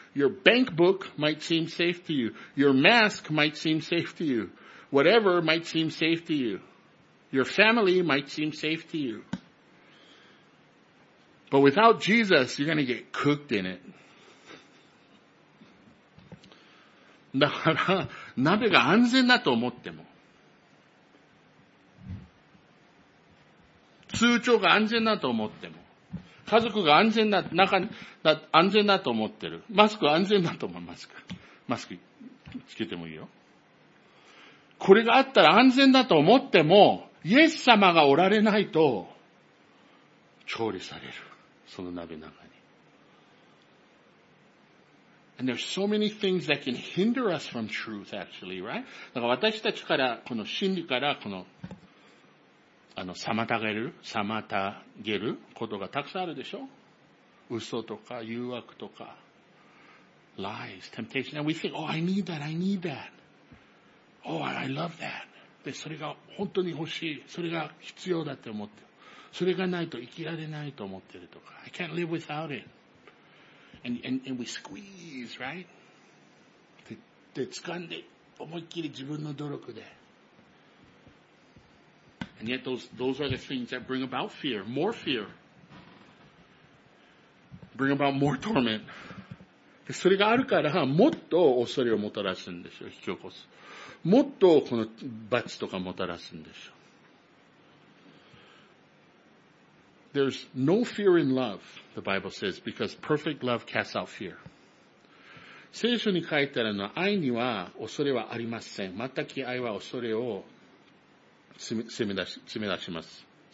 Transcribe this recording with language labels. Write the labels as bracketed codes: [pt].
[en] Your bank book might seem safe to you. Your mask might seem safe to you. Whatever might seem safe to you. Your family might seem safe to you. But without Jesus, you're going to get cooked in it. [ja] だから、鍋が安全だと思っても、通帳が安全だと思っても、家族が安全だ、中だ、安全だと思ってる。マスク安全だと思う、マスク。マスクつけてもいいよ。これがあったら安全だと思っても、イエス様がおられないと、調理される。その鍋の中に。 [en] And there's so many things that can hinder us from truth, actually, right? [ja] だから私たちから、この真理から、この、妨げることがたくさんあるでしょ？嘘とか、誘惑とか、 [en] lies, temptation. And we think, oh, I need that. Oh, I love that. [ja] で、それが本当に欲しい。それが必要だって思ってる。それがないと生きられないと思ってるとか。 [en] I can't live without it. And we squeeze, right? [ja] で、掴んで、思いっきり自分の努力で。 [en] And yet those are the things that bring about fear, more fear. Bring about more torment. [ja] で、それがあるから、もっと恐れをもたらすんでしょう、引き起こす。もっとこの罰とかもたらすんでしょう。 [en] There's no fear in love, the Bible says, because perfect love casts out fear. [ja] 聖書に書いてあるのは、愛には恐れはありません。全く愛は恐れを攻め出します。